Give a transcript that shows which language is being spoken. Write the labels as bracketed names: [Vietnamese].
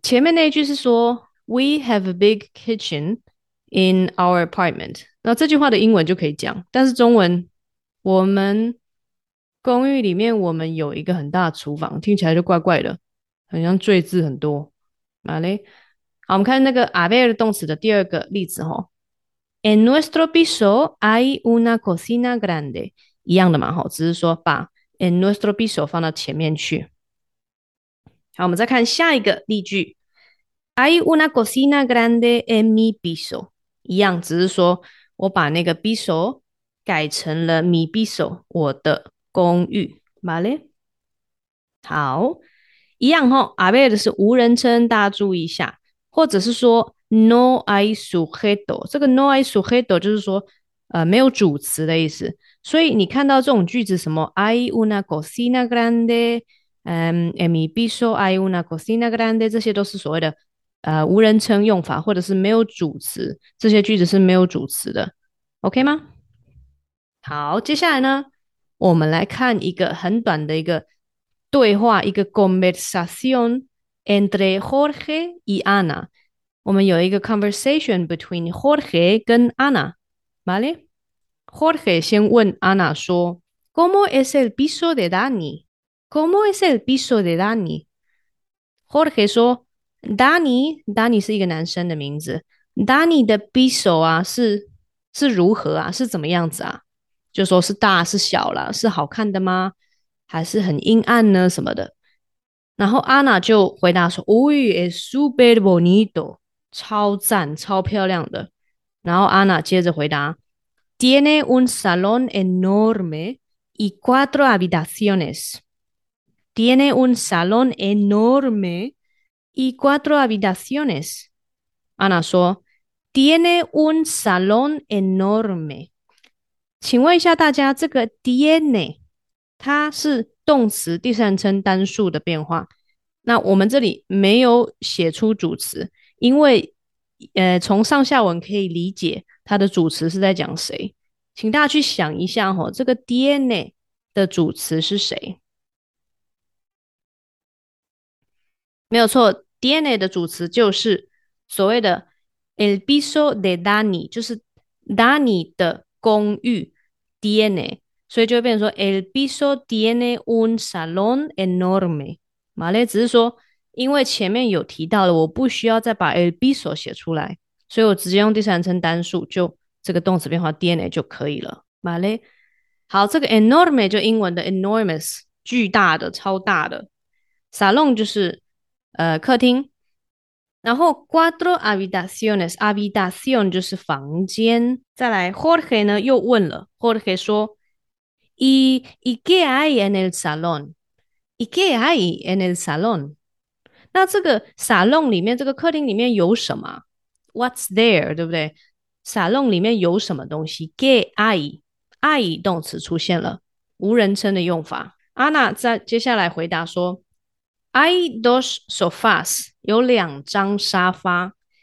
[Chinese] 前面那一句是说 [English] we have a big kitchen in our apartment， [Chinese] 那这句话的英文就可以讲，但是中文。我们公寓里面，我们有一个很大的厨房，听起来就怪怪的，很像赘字很多。好嘞，好，我们看那个 haber 动词的第二个例子哈。 [Spanish] En nuestro piso hay una cocina grande， [Chinese] 一样的嘛哈，只是说把 [Spanish] en nuestro piso [Chinese] 放到前面去。好，我们再看下一个例句。 [Spanish] Hay una cocina grande en mi piso， [Chinese] 一样，只是说我把那个 [Spanish] piso。 [Chinese] 改成了 mi piso，我的公寓，vale？好，一样哈，haber 是无人称，大家注意一下。或者是说 [Spanish] no hay sujeto， [Chinese] 这个 no hay sujeto 就是说没有主词的意思。所以你看到这种句子，什么 [Spanish] hay una cocina grande， [Chinese] en mi piso hay una cocina grande，这些都是所谓的无人称用法，或者是没有主词，这些句子是没有主词的，OK 吗？好，接下来呢，我们来看一个很短的一个对话，一个 [Spanish] conversación entre Jorge y Ana。 [Chinese] 我们有一个 [English] conversation between Jorge [Chinese] 跟 Ana，¿vale？ [Spanish] Jorge [Chinese] 先问 [Spanish] Ana 说：“¿Cómo es el piso de Dani？”“¿Cómo es el piso de Dani？”Jorge 说：“Dani，Dani [Chinese] 是一个男生的名字。 Dani 的 piso 啊，是如何啊？是怎么样子啊？就说是大是小啦，是好看的吗？还是很阴暗呢什么的？” 然后 Anna 就回答说： [Spanish] “Uy, es super bonito， [Chinese] 超赞，超漂亮的。 ”然后 Anna 接着回答。 [Spanish] Tiene un salón enorme y cuatro habitaciones. Tiene un salón enorme y cuatro habitaciones. Ana 说：“Tiene un salón enorme。 [Chinese] ”请问一下大家，这个 tiene 它是动词第三人称单数的变化。那我们这里没有写出主词，因为从上下文可以理解它的主词是在讲谁。请大家去想一下哈，这个 DNA 的主词是谁？没有错，DNA 的主词就是所谓的 [Spanish] el piso de Dani， [Chinese] 就是 Dani 的公寓 DNA，所以就会变成说 [Spanish] el piso tiene un salón enorme。 [Chinese] 马列只是说，因为前面有提到的，我不需要再把 el piso 写出来，所以我直接用第三人称单数就。这个动词变化 DNA 就可以了，vale？ 好，这个 enorme 就英文的 enormous，巨大的、超大的。 salón 就是客厅，然后 [Spanish] cuatro habitaciones， [Chinese] habitación 就是房间。 [Spanish] 再来，Jorge 呢又问了，Jorge 说：“¿Y qué hay en el salón？¿Y qué hay en el salón？” [Chinese] 那这个 salón 里面，这个客厅里面有什么？ [English] What's there？ [Chinese] 对不对？ salon 里面有什么东西？ [Spanish] Que hay [Chinese] 动词出现了，无人称的用法。 Anna 在接下来回答说： [Spanish] “Hay dos sofás， [Chinese] 有两张沙发。